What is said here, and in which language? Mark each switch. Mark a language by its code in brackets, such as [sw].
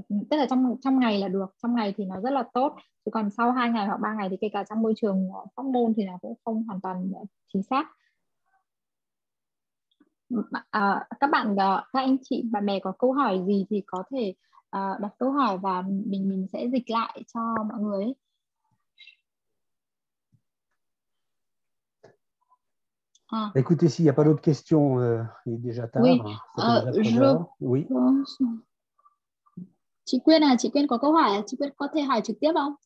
[vi] Tức là trong ngày là được, trong ngày thì nó rất là tốt, chứ còn sau 2 ngày hoặc 3 ngày thì kể cả trong môi trường phóc môn thì nó cũng không hoàn toàn chính xác. Các bạn, các anh chị, bà mẹ có câu hỏi gì thì có thể đặt câu hỏi và mình sẽ dịch lại cho mọi người. [fr] Écoutez, s'il n'y a pas d'autres questions, il est déjà tard. Oui. Oui. [vi] Chị Quyên à, chị Quyên có câu hỏi, chị Quyên có thể hỏi trực tiếp không?